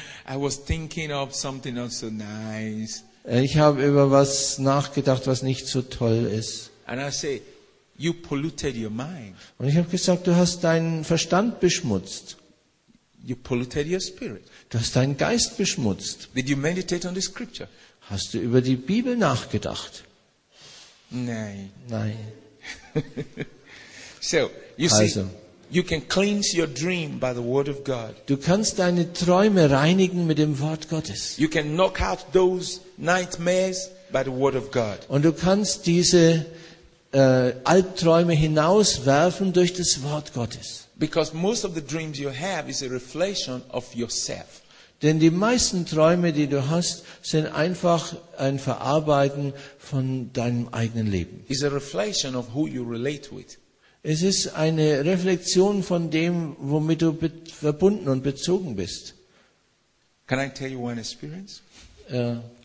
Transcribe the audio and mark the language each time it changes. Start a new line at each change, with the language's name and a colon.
English: I was thinking of something not so nice.
German: Ich habe über was nachgedacht, was nicht so toll ist.
English: And I say, you polluted your mind.
German: Und ich habe gesagt, du hast deinen Verstand beschmutzt.
English: You polluted your spirit.
German: Du hast deinen Geist beschmutzt.
English: Did you meditate on the scripture?
German: Hast du über die Bibel nachgedacht? Nein. Nein.
English: So, you see, also, you can cleanse your dream by the word of God.
German: Du kannst deine Träume reinigen mit dem Wort Gottes.
English: You can knock out those nightmares by the word of God.
German: Und du kannst diese Albträume hinauswerfen durch das Wort Gottes.
English: Because most of the dreams you have is a reflection of yourself.
German: Denn die meisten Träume, die du hast, sind einfach ein Verarbeiten von deinem eigenen Leben.
English: It's a reflection of who you relate with.
German: Es ist eine Reflexion von dem, womit du verbunden und bezogen bist.
English: Can I tell you one experience? Okay.